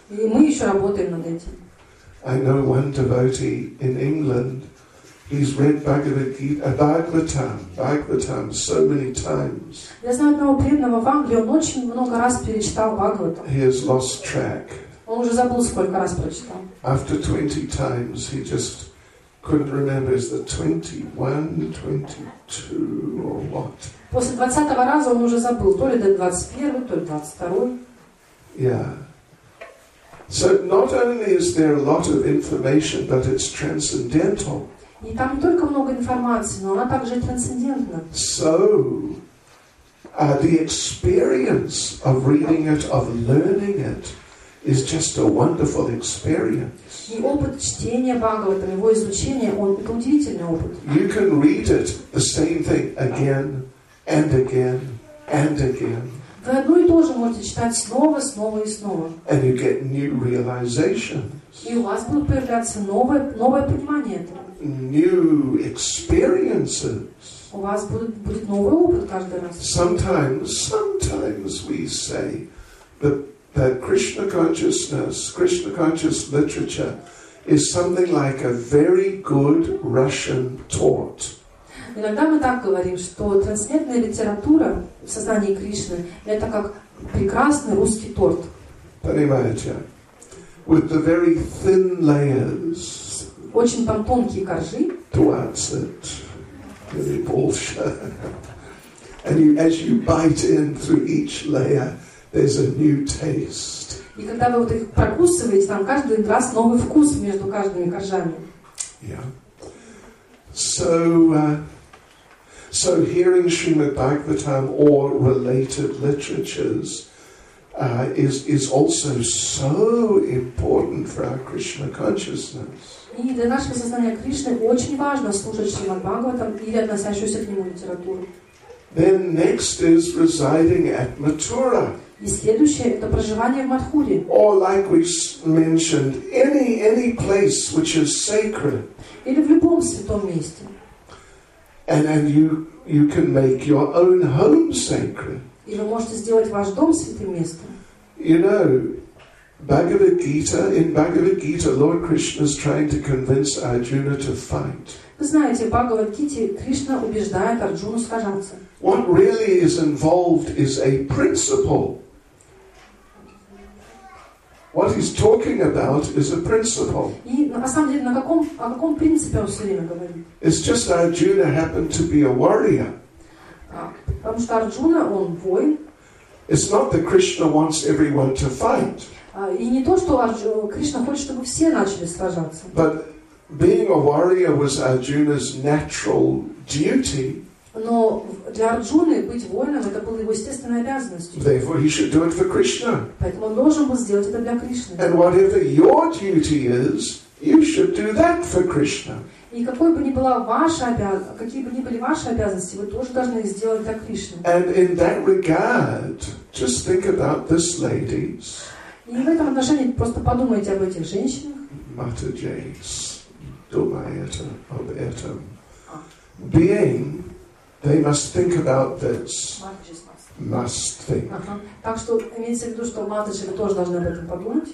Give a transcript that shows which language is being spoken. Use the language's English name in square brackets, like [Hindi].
[Russian] И мы еще работаем над этим. [English] I know one devotee in England. He's read Bhagavatam so many times. [Russian] Я знаю одного преданного в Англии, он очень много раз перечитал Бхагаватам. [English] He has lost track. [Russian] Он уже забыл, сколько раз прочитал. [English] After 20 times, he just couldn't remember, is the 21, 22 or what? [Russian] После 20-го раза он уже забыл, то ли до 21, то ли 22. [English] Yeah. So not only is there a lot of information, but it's transcendental. [Russian] И там не только много информации, но она также трансцендентна. [English] So, the experience of reading it, of learning it, is just a wonderful experience. [Russian] И опыт чтения Бхагаватам, его изучения, он это удивительный опыт. [English] You can read it the same thing again and again and again. [Russian] Вы одно и то же можете читать снова, снова и снова. [English] And you get new realizations. [Russian] И у вас будут появляться новое понимание этого. [English] New experiences. [Russian] У вас будет новый опыт каждый раз. [English] Sometimes we say that Krishna conscious literature is something like a very good Russian tort. [Russian] Иногда мы так говорим, что трансцендентная литература в сознании Кришны это как прекрасный русский торт. Понимаете? [English] With the very thin layers. [Russian] Очень там тонкие коржи. [English] Towards it, very bolsha. And you, as you bite in through each layer, there's a new taste. [Russian] И когда вы вот их прокусываете, там каждый раз новый вкус между каждыми коржами. [English] Yeah. So hearing Srimad Bhagavatam or related literatures is also so important for our Krishna consciousness. [Russian] И для нашего сознания Кришны очень важно слушать Шримад Бхагаватам или относящуюся к нему литературу. [English] Then next is residing at Mathura. [Russian] И следующее это проживание в Матхуре. [English] Or like we mentioned, any place which is sacred. [Russian] Или в любом святом месте. [English] And you can make your own home sacred. [Russian] И вы можете сделать ваш дом святым местом. [English] You know, In Bhagavad Gita, Lord Krishna is trying to convince Arjuna to fight. [Russian] Вы знаете, в Бхагавад-гите Кришна убеждает Арджуну сражаться. [English] What really is involved is a principle. What he's talking about is a principle. [Russian] И на самом деле, о каком принципе он все время говорит? [English] It's just Arjuna happened to be a warrior. [Russian] Потому что Арджуна, он воин. [English] It's not that Krishna wants everyone to fight. [Russian] И не то, что Кришна хочет, чтобы все начали сражаться. [English] But being a warrior was Arjuna's natural duty. [Russian] Но для Арджуны быть воином это было его естественной обязанностью. [English] Therefore, he should do it for Krishna. [Russian] Поэтому он должен был сделать это для Кришны. [English] And whatever your duty is, you should do that for Krishna. [Russian] И какой бы ни была ваша обязанность, какие бы ни были ваши обязанности, вы тоже должны их сделать для Кришны. [English] And in that regard, just think about this, ladies. [Russian] И в этом отношении просто подумайте об этих женщинах. Матаджейс, думаете об этом. [English] Being, they must think about this. Must think. [Russian] Так что имеется в виду, что матаджи тоже должны об этом подумать.